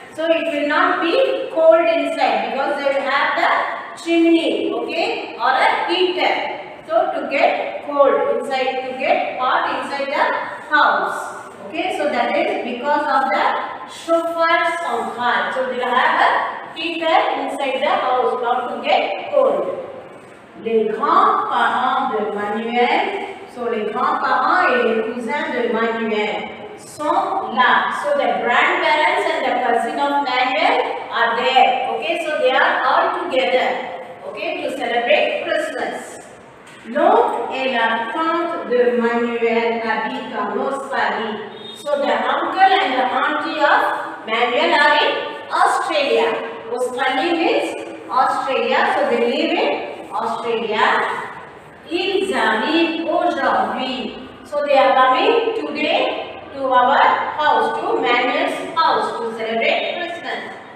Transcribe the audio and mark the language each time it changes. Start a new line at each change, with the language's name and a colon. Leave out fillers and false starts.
English: So it will not be cold inside because they will have the chimney, okay, or a heater. So to get cold inside, to get hot inside the house. Okay, so that is because of the chauffeur central. So they will have a heater inside the house, not to get cold.
French: Les grands-parents de Manuel. So les grands-parents et les cousins de Manuel. Sont là.
English: So the grandparents and the cousin of Daniel are there. Okay, so they are all together. Okay, to celebrate Christmas.
French: L'oncle et la tante de Manuel habitent en Australie.
English: So the uncle and the auntie of Manuel are in Australia. Australie means Australia. So they live in Australia.
French: Ils arrivent aujourd'hui.
English: So they are coming today to our house, to Manuel's house, to celebrate Christmas.